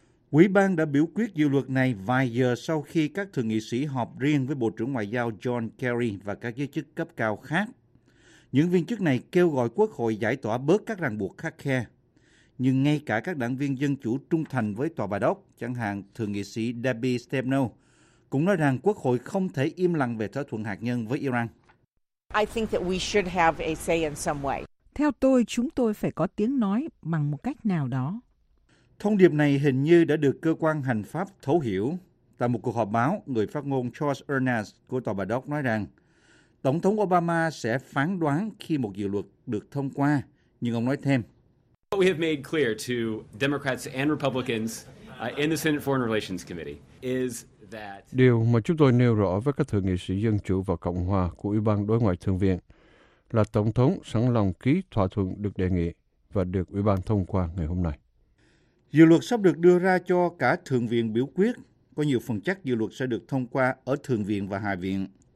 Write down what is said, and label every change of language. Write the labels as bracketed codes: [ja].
[vi] Ủy ban đã biểu quyết dự luật này vài giờ sau khi các thượng nghị sĩ họp riêng với Bộ trưởng Ngoại giao John Kerry và các giới chức cấp cao khác. Những viên chức này kêu gọi Quốc hội giải tỏa bớt các ràng buộc khắt khe. Nhưng ngay cả các đảng viên Dân Chủ trung thành với Tòa Bạch Ốc, chẳng hạn Thượng nghị sĩ Debbie Stabenow, cũng nói rằng Quốc hội không thể im lặng về thỏa thuận hạt nhân với Iran. [en] I think that we should have a say in some way. [vi] Theo tôi, chúng tôi phải có tiếng nói bằng một cách nào đó. Thông điệp này hình như đã được cơ quan hành pháp thấu hiểu. Tại một cuộc họp báo, người phát ngôn Charles Ernest của Tòa Bạch Ốc nói rằng Tổng thống Obama sẽ phán đoán khi một dự luật được thông qua, nhưng ông nói thêm. [en] We have made clear to Democrats and Republicans in the Senate Foreign Relations Committee is that [vi] điều mà chúng tôi nêu rõ với các thượng nghị sĩ Dân Chủ và Cộng hòa của Ủy ban Đối ngoại Thượng viện là Tổng thống sẵn lòng ký thỏa thuận được đề nghị và được Ủy ban thông qua ngày hôm nay. Dự luật sắp được đưa ra cho cả Thượng viện biểu quyết, có nhiều phần chắc dự luật sẽ được thông qua ở Thượng viện và Hạ viện.